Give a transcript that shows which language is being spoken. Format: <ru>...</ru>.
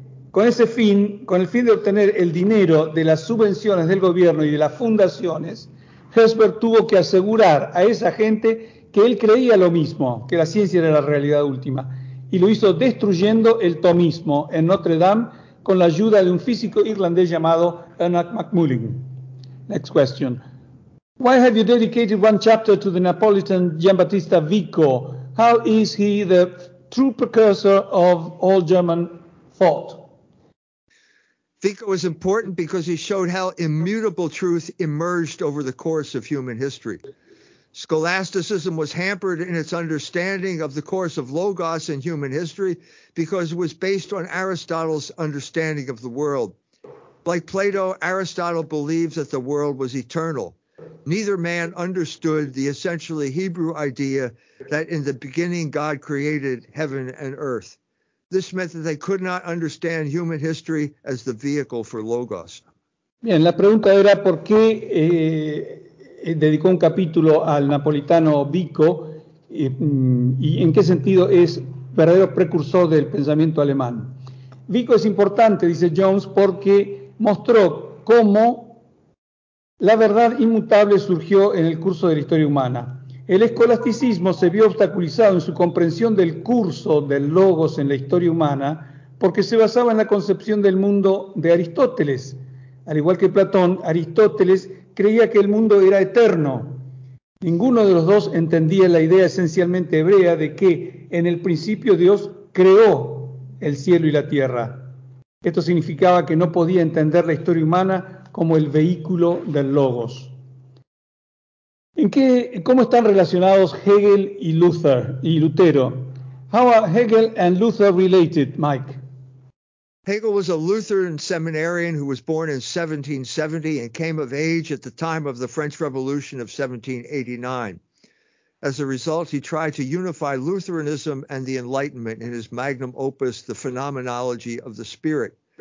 <es>Con ese fin, con el fin de obtener el dinero de las subvenciones del gobierno y de las fundaciones, Herzberg tuvo que asegurar a esa gente que él creía lo mismo, que la ciencia era la realidad última. Y lo hizo destruyendo el tomismo en Notre Dame con la ayuda de un físico irlandés llamado Ernest McMullin.</es> <en>Next question. Why have you dedicated one chapter to the Neapolitan Giambattista Vico? How is he the true precursor of all German thought? Vico was important because he showed how immutable truth emerged over the course of human history. Scholasticism was hampered in its understanding of the course of Logos in human history because it was based on Aristotle's understanding of the world. Like Plato, Aristotle believed that the world was eternal. Neither man understood the essentially Hebrew idea that in the beginning God created heaven and earth. This meant that they could not understand human history as the vehicle for Logos.</en> <es>Bien, la pregunta era por qué dedicó un capítulo al napolitano Vico y en qué sentido es verdadero precursor del pensamiento alemán. Vico es importante, dice Jones, porque mostró cómo la verdad inmutable surgió en el curso de la historia humana. El escolasticismo se vio obstaculizado en su comprensión del curso del Logos en la historia humana porque se basaba en la concepción del mundo de Aristóteles. Al igual que Platón, Aristóteles creía que el mundo era eterno. Ninguno de los dos entendía la idea esencialmente hebrea de que en el principio Dios creó el cielo y la tierra. Esto significaba que no podía entender la historia humana como el vehículo del Logos. ¿Cómo están relacionados Hegel y Luther y Lutero?</es> <en>How are Hegel and Luther related, Mike? Hegel was a Lutheran seminarian who was born in 1770 and came of age at the time of the French Revolution of 1789. As a result, he tried to unify Lutheranism and the Enlightenment in his magnum opus, The Phenomenology of the Spirit.</en>